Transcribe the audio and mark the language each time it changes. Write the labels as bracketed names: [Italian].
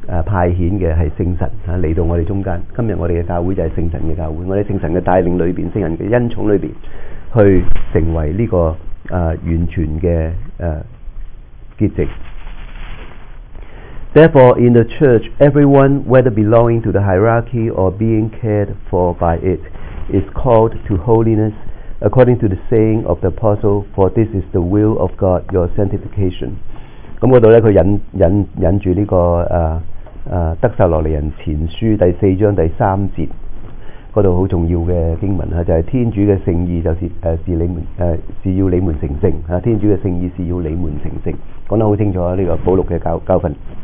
[Chinese] 派遣的是圣神来到我们中间，今天我们的教会就是圣神的教会，我们圣神的带领里面，圣神的恩宠里面，去成为这个完全的洁净。 [English] Therefore in the church everyone whether belonging to the hierarchy or being cared for by it is called to holiness according to the saying of the apostle for this is the will of God your sanctification。 [Chinese] 那里呢他引着这个德撒罗尼人前书第四章第三节，那里很重要的经文，就是天主的圣意就 是你们是要你们成圣，天主的圣意是要你们成圣，讲得很清楚，这个保禄的 教训。